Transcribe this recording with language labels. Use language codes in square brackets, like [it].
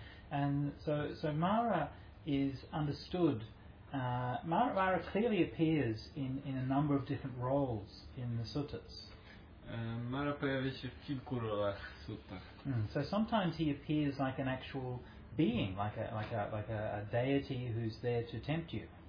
[en] And so Mara is understood. Mara clearly appears in a number of different roles in the suttas. [pl] Mara pojawia się w kilku rolach w suttach. [en] So sometimes he appears like an actual being, like a deity who's there to tempt you.